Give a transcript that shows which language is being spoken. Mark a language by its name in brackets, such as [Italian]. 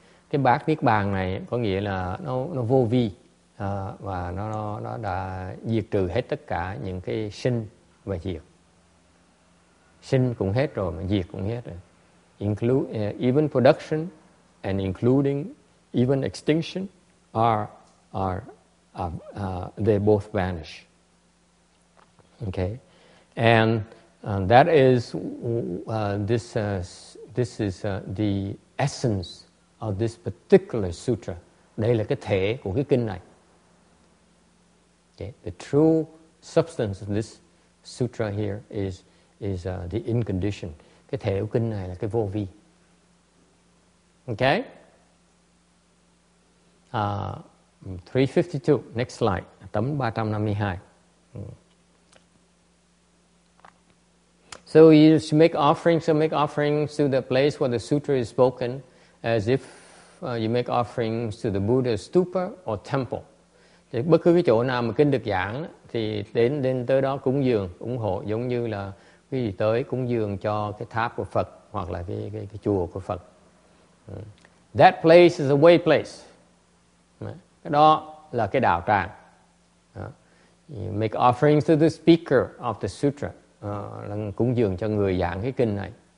[Vietnamese] Cái bát niết bàn này có nghĩa là nó vô vi, và nó đã diệt trừ hết tất cả những cái sinh và diệt. Sinh cũng hết rồi mà diệt cũng hết rồi. [English] Even production and including even extinction are they both vanish. Okay? And that is this is the essence of this particular sutra. [Vietnamese] Đây là cái thể của cái kinh này. [English] Okay? The true substance of this sutra here is the inconditioned. [Vietnamese] Cái thể của kinh này là cái vô vi. [English] Okay? 352, next slide, [Vietnamese] tấm [English] 352. So you should make offerings to the place where the sutra is spoken, as if you make offerings to the Buddha's stupa or temple. [Vietnamese] Thì bất cứ cái chỗ nào mà kinh được giảng thì đến tới đó cúng dường, ủng hộ, giống như là quý vị tới cúng dường cho cái tháp của Phật hoặc là cái chùa của Phật. [English] That place is a way place. [Vietnamese] Cái đó là cái đạo tràng. [English] You make offerings to the speaker of the sutra. [Vietnamese] Là cúng dường cho người giảng cái kinh này.